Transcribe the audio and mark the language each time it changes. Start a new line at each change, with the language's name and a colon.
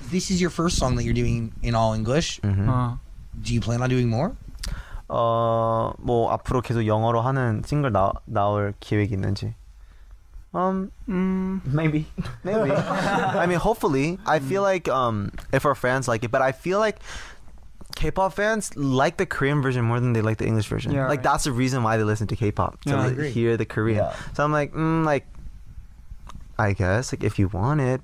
English: This is your first song that you're doing in all English. Do you plan on doing more?
Korean: 뭐 앞으로 계속 영어로 하는 싱글 나올 계획 있는지.
English: Maybe. I mean, hopefully. I feel like if our fans like it, but I feel like K-pop fans like the Korean version more than they like the English version. Yeah, like, that's the reason why they listen to K-pop. Yeah, to hear the Korean. Yeah. So I'm like, like, I guess, like, if you want it.